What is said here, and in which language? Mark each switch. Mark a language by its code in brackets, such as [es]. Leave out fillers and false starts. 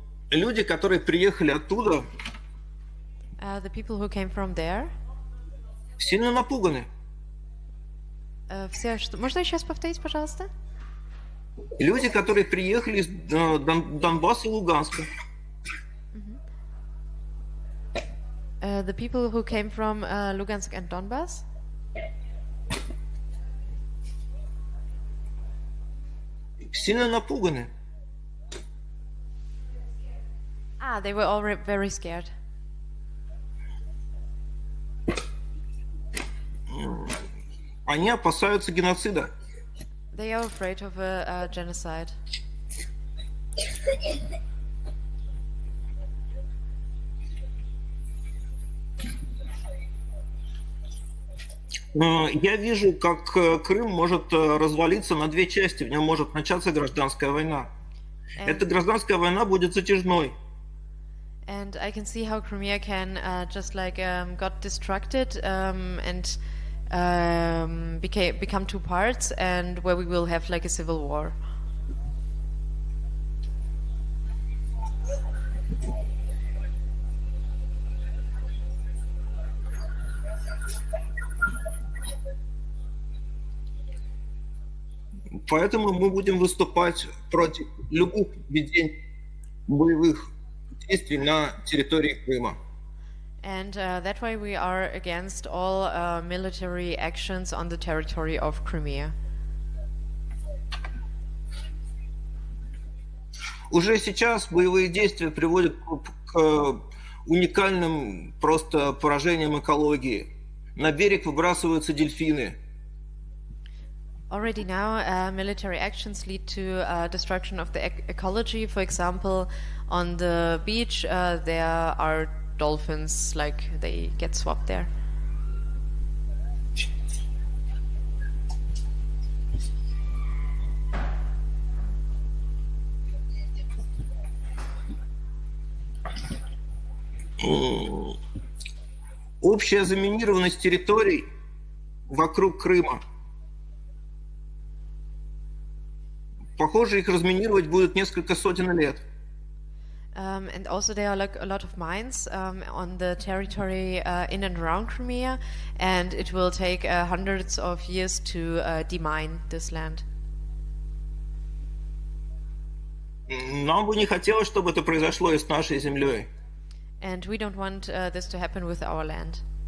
[ru] Люди, которые приехали оттуда, [en] The people who came from there, [ru] сильно напуганы. Все, что... Можно сейчас повторить, пожалуйста? Люди, которые приехали из Донбасса и Луганска. [en] The people who came from Lugansk and Donbass. [ru] Сильно напуганы. [en] Ah, they were all very scared. [ru] Они опасаются геноцида. [en] They are afraid of a genocide. [ru] Я вижу, как Крым может развалиться на две части, в нем может начаться гражданская война. [en] And [ru] эта гражданская война будет затяжной. [en] And I can see how Crimea can just like got destructed and become two parts, and where we will have like a civil war. [ru] Поэтому мы будем выступать против любых ведений боевых действий на территории Крыма. [en] And that way we are against all military actions on the territory of Crimea. [ru] Уже сейчас боевые действия приводят к уникальным просто поражениям экологии. На берег выбрасываются дельфины. [en] Already now, military actions lead to destruction of the ecology. For example, on the beach, there are dolphins, like they get swapped there. [ru] Общая заминированность территорий вокруг Крыма. Похоже, их разминировать будет несколько сотен лет. [en] And also there are like a lot of mines on the territory in and around Crimea, and it will take hundreds of years to demine this land. [ru] Нам бы не хотелось, чтобы это произошло и с нашей землей. [en] And we don't want this to happen with our land.